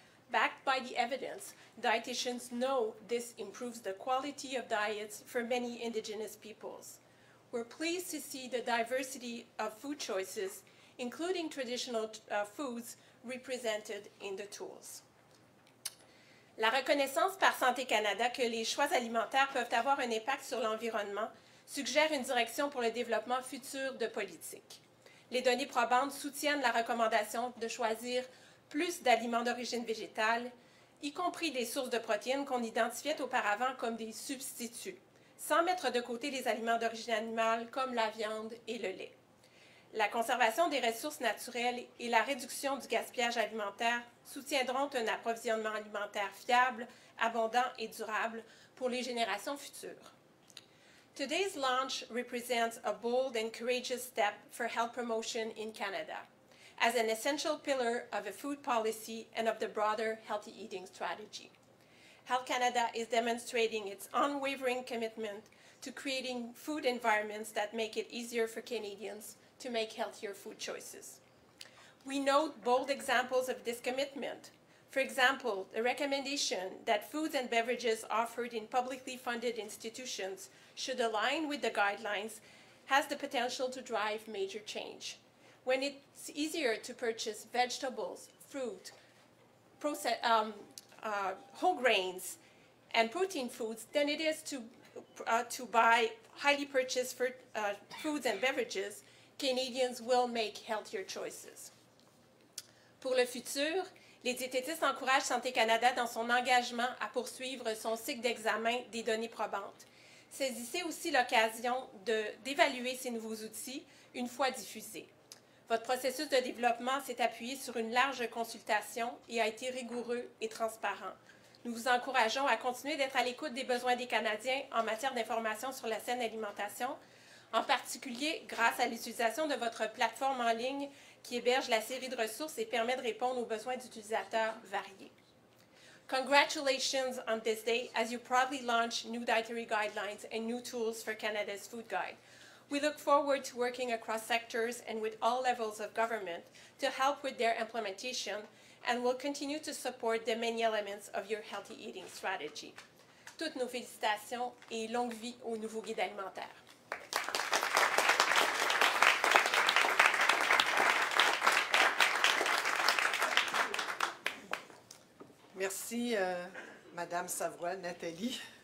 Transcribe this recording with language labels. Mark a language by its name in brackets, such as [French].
[English] Backed by the evidence, dietitians know this improves the quality of diets for many Indigenous peoples. We're pleased to see the diversity of food choices, including traditional foods, represented in the tools. [French] La reconnaissance par Santé Canada que les choix alimentaires peuvent avoir un impact sur l'environnement suggère une direction pour le développement futur de politique. Les données probantes soutiennent la recommandation de choisir plus d'aliments d'origine végétale, y compris des sources de protéines qu'on identifiait auparavant comme des substituts, sans mettre de côté les aliments d'origine animale comme la viande et le lait. La conservation des ressources naturelles et la réduction du gaspillage alimentaire soutiendront un approvisionnement alimentaire fiable, abondant et durable pour les générations futures. [English] Today's launch represents a bold and courageous step for health promotion in Canada, as an essential pillar of a food policy and of the broader healthy eating strategy. Health Canada is demonstrating its unwavering commitment to creating food environments that make it easier for Canadians to make healthier food choices. We note bold examples of this commitment. For example, the recommendation that foods and beverages offered in publicly funded institutions should align with the guidelines has the potential to drive major change. When it's easier to purchase vegetables, fruit, whole grains, and protein foods than it is to buy highly purchased foods and beverages, Canadians will make healthier choices. [French] Pour le futur, les diététistes encouragent Santé Canada dans son engagement à poursuivre son cycle d'examen des données probantes. Saisissez aussi l'occasion d'évaluer ces nouveaux outils une fois diffusés. Votre processus de développement s'est appuyé sur une large consultation et a été rigoureux et transparent. Nous vous encourageons à continuer d'être à l'écoute des besoins des Canadiens en matière d'information sur la saine alimentation, en particulier grâce à l'utilisation de votre plateforme en ligne qui héberge la série de ressources et permet de répondre aux besoins d'utilisateurs variés. [English] Congratulations on this day as you proudly launch new dietary guidelines and new tools for Canada's Food Guide. We look forward to working across sectors and with all levels of government to help with their implementation and will continue to support the many elements of your healthy eating strategy. [French] Toutes nos félicitations et longue vie au nouveau guide alimentaire. Merci, Madame Savoie, Nathalie.